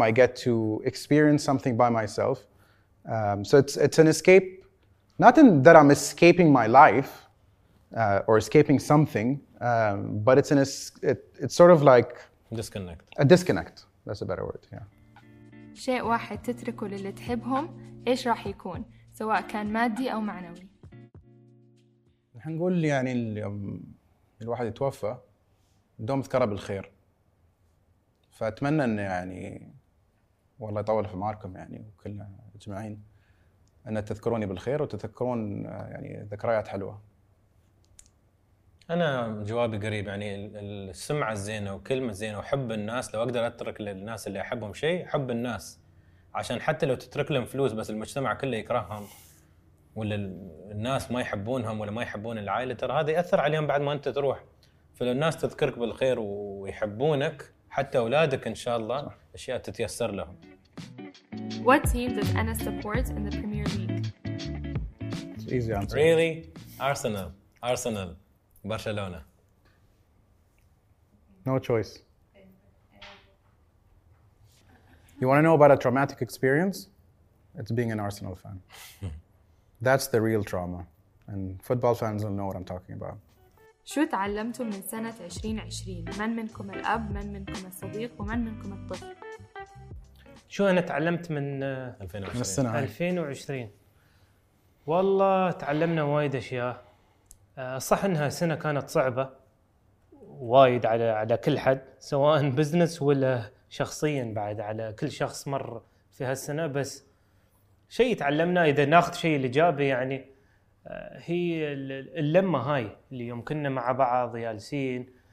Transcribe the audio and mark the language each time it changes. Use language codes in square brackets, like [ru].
[en] I get to experience something by myself. So it's an escape. Not in that I'm escaping my life or escaping something, but it's it's sort of like... Disconnect. A disconnect. That's a better word, yeah. [ar] شيء واحد تتركه للي تحبهم إيش راح يكون سواء كان مادي أو معنوي. هنقول يعني الواحد يتوفى دوم ذكرى بالخير. فأتمنى إن يعني والله يطول في معاركم يعني وكلنا أجمعين أن تذكروني بالخير وتذكرون يعني ذكريات حلوة. أنا جوابي قريب يعني السمعة الزينة وكلمة زينة وحب الناس لو أقدر أترك للناس اللي أحبهم شيء حب الناس عشان حتى لو تترك لهم فلوس بس المجتمع كله يكرههم ولا الناس ما يحبونهم ولا ما يحبون العائلة ترى هذا يأثر عليهم بعد ما أنت تروح فلو الناس تذكرك بالخير ويحبونك حتى أولادك إن شاء الله أشياء تتيسر لهم. [en] What team does Anas support in the Premier League? It's easy answer. Really? Arsenal. Barcelona. No choice. You want to know about a traumatic experience? It's being an Arsenal fan. That's the real trauma. And football fans will know what I'm talking about. [ar] شو تعلمتوا من سنة 2020؟ من منكم الأب؟ من منكم الصديق؟ ومن منكم الطفل؟ شو أنا تعلمت من 2020؟ 2020 والله تعلمنا وايد أشياء. صح إنها سنة كانت صعبة وايد على كل حد سواء بزنس ولا شخصياً بعد على كل شخص مر في هالسنة بس شيء تعلمنا إذا ناخذ شيء الإيجابي يعني هي اللمة هاي اللي يوم كنا مع بعض جالسين